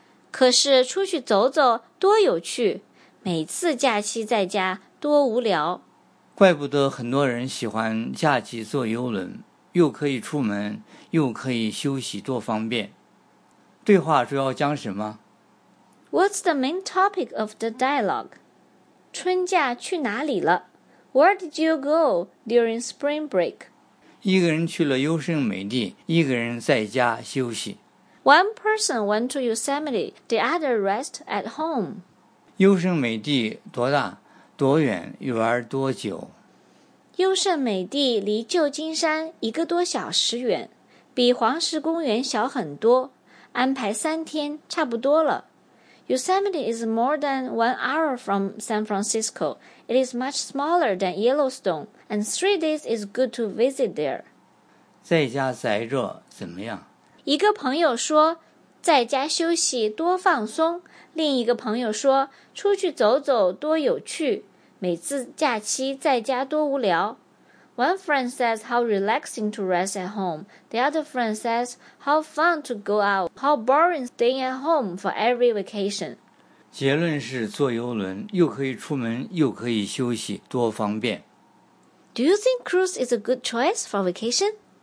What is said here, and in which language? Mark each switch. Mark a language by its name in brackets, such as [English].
[Chinese] 可是出去走走多有趣每次假期在家多无聊怪不得很多人喜欢假期坐游轮又可以出门又可以休息多方便对话主要讲什么 [English] What's the main topic of the dialogue? [Chinese] 春假去哪里了 [English] Where did you go during spring break? [Chinese] 一个人去了优胜美地，一个人在家休息。 [English] One person went to Yosemite, the other rest at home. [Chinese] 优胜美地多大？多远？玩多久？优胜美地离旧金山一个多小时远，比黄石公园小很多，安排三天差不多了。 [English] Yosemite is more than 1 hour from San Francisco. It is much smaller than Yellowstone. And 3 days is good to visit there. [Chinese] 在家宅着怎么样？一个朋友说，在家休息多放松。另一个朋友说，出去走走多有趣。每次假期在家多无聊。 [English] One friend says how relaxing to rest at home. The other friend says how fun to go out. How boring staying at home for every vacation. [Chinese] 结论是坐游轮，又可以出门，又可以休息，多方便。 [English] Do you think cruise is a good choice for vacation?